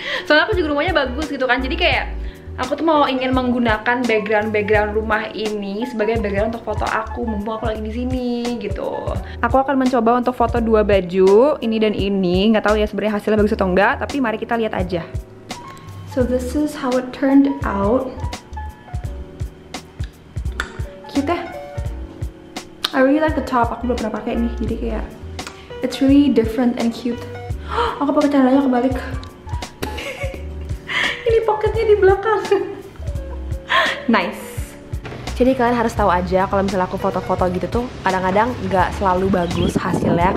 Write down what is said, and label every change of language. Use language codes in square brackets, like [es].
[id] Soalnya aku juga rumahnya bagus gitu kan. Jadi kayak aku tuh mau ingin menggunakan background-background rumah ini sebagai background untuk foto aku, mumpung aku lagi di sini gitu. Aku akan mencoba untuk foto dua baju, ini dan ini. Enggak tahu ya sebenarnya hasilnya bagus atau enggak, tapi mari kita lihat aja. [en] So this is how it turned out. Cute ya? I really like the top, [id] aku belum pernah pakai ini. Jadi kayak [en] it's really different and cute. [id] Aku pakai celananya kebalik. Ini pocketnya di belakang. [en] Nice. [id] Jadi kalian harus tahu aja kalau misalnya aku foto-foto gitu tuh kadang-kadang gak selalu bagus hasilnya.